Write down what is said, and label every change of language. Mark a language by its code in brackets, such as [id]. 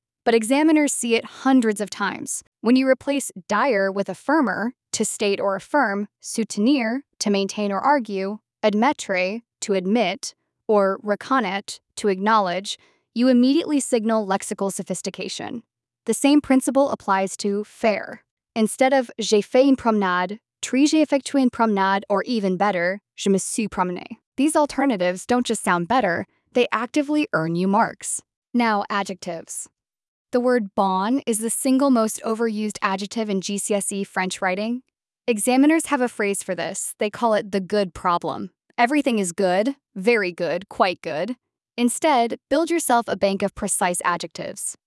[en] But examiners see it hundreds of times. When you replace dire with affirmer, to state or affirm, soutenir, to maintain or argue, admettre, to admit, or reconnaître, to acknowledge, you immediately signal lexical sophistication. The same principle applies to faire. Instead of [fr] j'ai fait une promenade, [en] puis [fr] j'ai effectué une promenade, [en] or even better, [fr] je me suis promené. [en] These alternatives don't just sound better, they actively earn you marks. Now, adjectives. The word bon is the single most overused adjective in GCSE French writing. Examiners have a phrase for this. They call it the good problem. Everything is good, very good, quite good. Instead, build yourself a bank of precise adjectives.